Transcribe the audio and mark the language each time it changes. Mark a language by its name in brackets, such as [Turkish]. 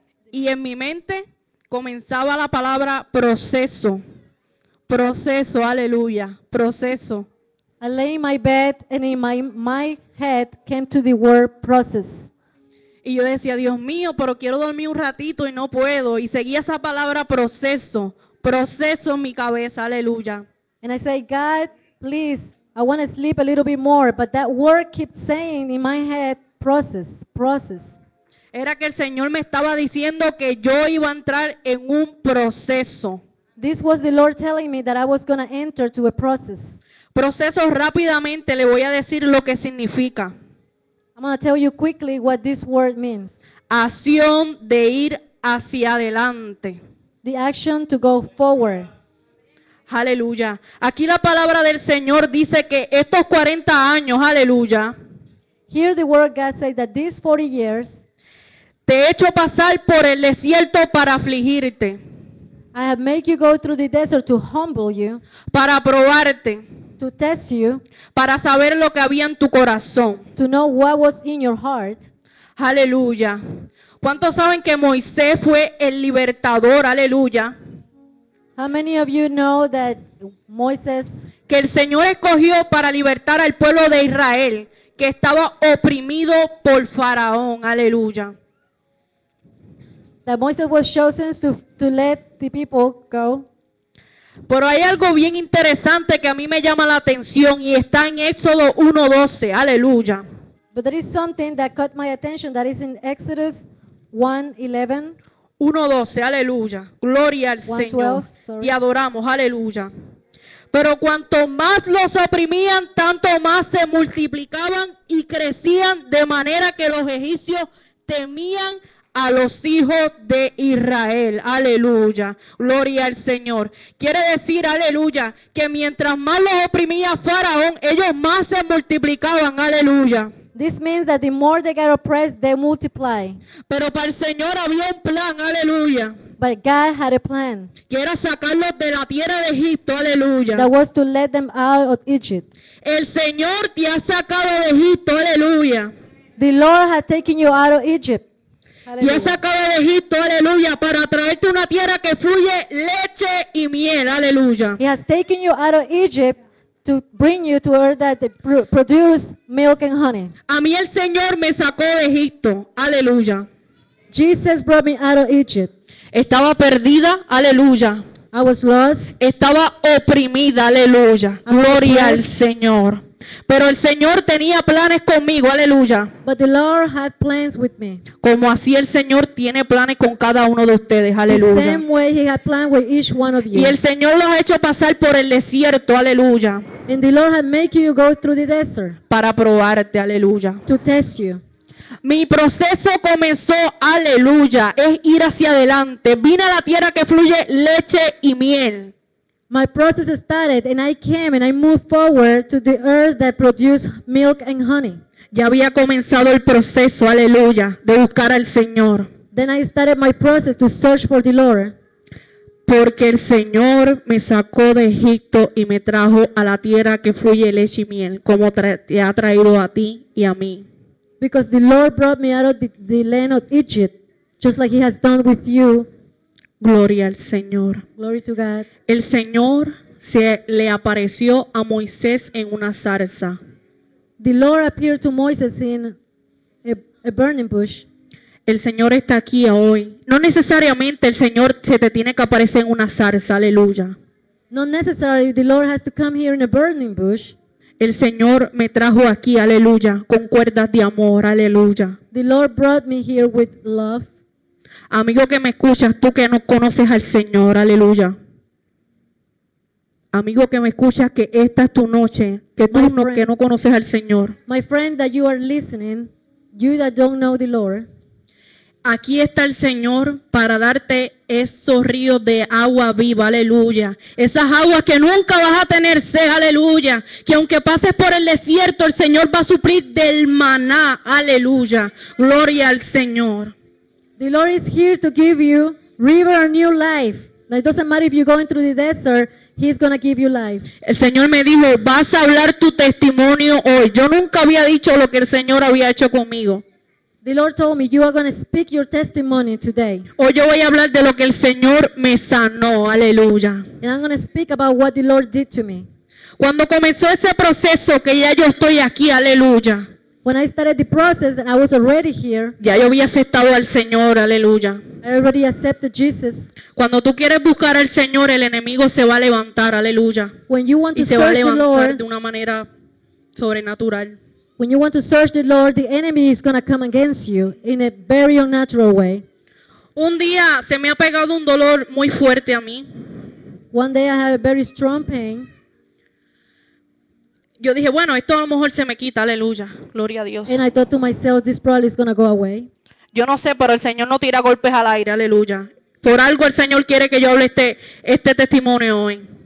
[Spanish] Y en mi mente comenzaba la palabra proceso. Proceso. Aleluya. Proceso. [English] I lay in my bed and in my head came to the word process. [Spanish] Y yo decía, Dios mío, pero quiero dormir un ratito y no puedo. Y seguía esa palabra proceso, proceso en mi cabeza, aleluya. [English] And I say, God, please, I want to sleep a little bit more, but that word keeps saying in my head, process, process. [Spanish] Era que el Señor me estaba diciendo que yo iba a entrar en un proceso. [English] This was the Lord telling me that I was going to enter to a process. [Spanish] Proceso, rápidamente le voy a decir lo que significa. [English] I'm going to tell you quickly what this word means. [Spanish] Acción de ir hacia adelante. [English] The action to go forward. [Spanish] Aleluya. Aquí la palabra del Señor dice que estos 40 años, aleluya. [English] Here the word of God says that these 40 years. [Spanish] Te he hecho pasar por el desierto para afligirte. [English] I have made you go through the desert to humble you. [Spanish] Para probarte. [English] To test you, [Spanish] para saber lo que había en tu corazón. [English] To know what was in your heart. [Spanish] Aleluya. ¿Cuántos saben que Moisés fue el libertador? Aleluya. [English] How many of you know that Moses, [Spanish] que el Señor escogió para libertar al pueblo de Israel, que estaba oprimido por Faraón? Aleluya. [English] That Moses was chosen to let the people go. [Spanish] Pero hay algo bien interesante que a mí me llama la atención y está en Éxodo 1:12. Aleluya. [English] But there is something that caught my attention that is in Exodus 1:11. [Spanish] 1:12, aleluya. Gloria al Señor. Y adoramos, aleluya. Pero cuanto más los oprimían, tanto más se multiplicaban y crecían, de manera que los egipcios temían a los hijos de Israel. Aleluya. Gloria al Señor. Quiere decir, aleluya, que mientras más los oprimía Faraón, ellos más se multiplicaban. Aleluya. [English] This means that the more they get oppressed, they multiply. [Spanish] Pero para el Señor había un plan. Aleluya. [English] But God had a plan. [Spanish] Que era sacarlos de la tierra de Egipto. Aleluya. [English] That was to let them out of Egypt. [Spanish] El Señor te ha sacado de Egipto. Aleluya. [English] The Lord had taken you out of Egypt. [Spanish] Y ha sacado de Egipto, aleluya, para traerte una tierra que fluye leche y miel, aleluya. [English] He has taken you out of Egypt to bring you to earth that produce milk and honey. [Spanish] A mí el Señor me sacó de Egipto, aleluya. [English] Jesus brought me out of Egypt. [Spanish] Estaba perdida, aleluya. [English] I was lost. [Spanish] Estaba oprimida, aleluya. Gloria al Señor. Pero el Señor tenía planes conmigo, aleluya. [English] But the Lord had plans with me. [Spanish] Como así el Señor tiene planes con cada uno de ustedes, aleluya. [English] The same way he had planned with each one of you. [Spanish] Y el Señor los ha hecho pasar por el desierto, aleluya. [English] And the Lord had made you go through the desert. [Spanish] Para probarte, aleluya. [English] To test you. [Spanish] Mi proceso comenzó, aleluya, es ir hacia adelante. Vine a la tierra que fluye leche y miel. [English] My process started and I came and I moved forward to the earth that produced milk and honey. [Spanish] Ya había comenzado el proceso, aleluya, de buscar al Señor. [English] Then I started my process to search for the Lord. [Spanish] Porque el Señor me sacó de Egipto y me trajo a la tierra que fluye leche y miel, como te ha traído a ti y a mí. [English] Because the Lord brought me out of the land of Egypt, just like he has done with you. [Spanish] Gloria al Señor. [English] Glory to God. [Spanish] El Señor se le apareció a Moisés en una zarza. [English] The Lord appeared to Moses in a burning bush. [Spanish] El Señor está aquí hoy. No necesariamente el Señor se te tiene que aparecer en una zarza. Aleluya. [English] Not necessarily the Lord has to come here in a burning bush. [Spanish] El Señor me trajo aquí, aleluya, con cuerdas de amor. Aleluya. [English] The Lord brought me here with love. [Spanish] Amigo que me escuchas, tú que no conoces al Señor, aleluya. Amigo que me escuchas, que esta es tu noche, que tú no, que no conoces al Señor. [English] My friend that you are listening, you that don't know the Lord. [Spanish] Aquí está el Señor para darte esos ríos de agua viva, aleluya. Esas aguas que nunca vas a tener sed, aleluya. Que aunque pases por el desierto, el Señor va a suplir del maná, aleluya. Gloria al Señor. [English] The Lord is here to give you river and new life. Now, it doesn't matter if you're going through the desert, he's going to give you life. [Spanish] El Señor me dijo, vas a hablar tu testimonio hoy. Yo nunca había dicho lo que el Señor había hecho conmigo. [English] The Lord told me, you are going to speak your testimony today. [Spanish] Hoy yo voy a hablar de lo que el Señor me sanó. Aleluya. [English] And I'm going to speak about what the Lord did to me. [Spanish] Cuando comenzó ese proceso que ya yo estoy aquí. Aleluya. [English] When I started the process, then I was already here. [Spanish] Ya yo había aceptado al Señor, aleluya. [English] I already accepted Jesus. [Spanish] Cuando tú quieres buscar al Señor, el enemigo se va a levantar, aleluya. [English] When you want [Spanish] y [English] to search the Lord, [Spanish] se va a levantar de una manera sobrenatural. [English] When you want to search the Lord, the enemy is going to come against you in a very unnatural way. [Spanish] Un día se me ha pegado un dolor muy fuerte a mí. [English] One day I had a very strong pain. [Spanish] Yo dije, bueno, esto a lo mejor se me quita, aleluya, gloria a Dios. [English] And I thought to myself, this probably is going to go away. [Spanish] Yo no sé, pero el Señor no tira golpes al aire, aleluya. Por algo el Señor quiere que yo hable este testimonio hoy.